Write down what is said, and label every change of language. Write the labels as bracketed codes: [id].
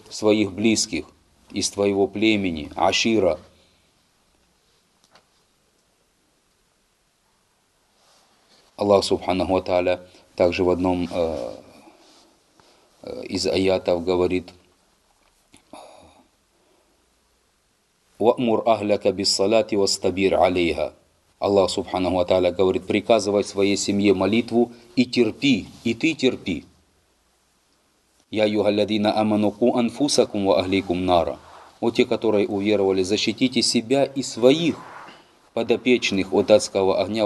[ru] Своих близких из твоего племени, ашира. Аллах Субханаху ва Тааля также в одном из аятов говорит: [ar] وأمر أهلك بالصلاة واستبر عليها. [ru] Аллах Субханаху ва Тааля говорит, приказывай своей семье молитву и терпи, и ты терпи. [ar] Я юхалладина аманаку анфусакум ва ахликум нара. [ru] О те, которые уверовали, защитите себя и своих подопечных от адского огня.